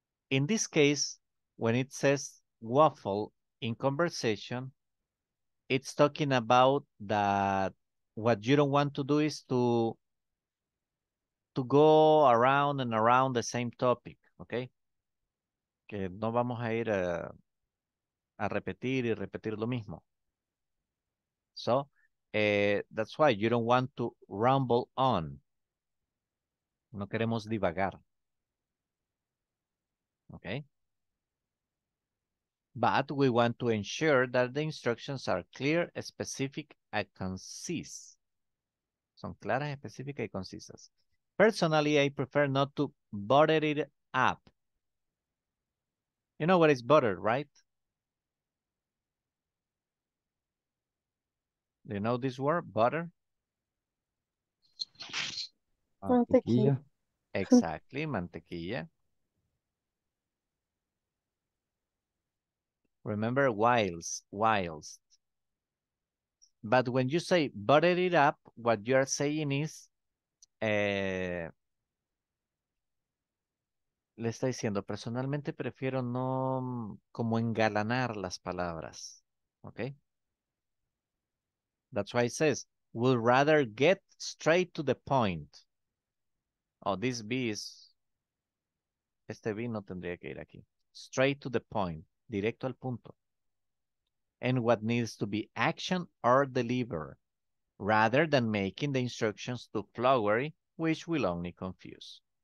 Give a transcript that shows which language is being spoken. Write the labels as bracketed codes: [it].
[en] In this case, when it says waffle, in conversation, it's talking about that what you don't want to do is to go around and around the same topic, okay? [es] Que no vamos a ir a repetir y repetir lo mismo. [en] So, that's why you don't want to ramble on. [es] No queremos divagar. [en] Okay? But we want to ensure that the instructions are clear, specific, and concise. [es] Son claras, específicas, y concisas. [en] Personally, I prefer not to butter it up. You know what is butter, right? Do you know this word, butter? [es] Mantequilla. [en] Exactly, [es] mantequilla. [en] Remember, whilst. But when you say butter it up, what you are saying is [es] Le está diciendo, personalmente prefiero no como engalanar las palabras. ¿Ok? [en] That's why it says, would rather get straight to the point. Oh, this B is. [es] Este B no tendría que ir aquí. [en] Straight to the point. [es] Directo al punto. [en] And what needs to be action or deliver, rather than making the instructions too flowery, which will only confuse.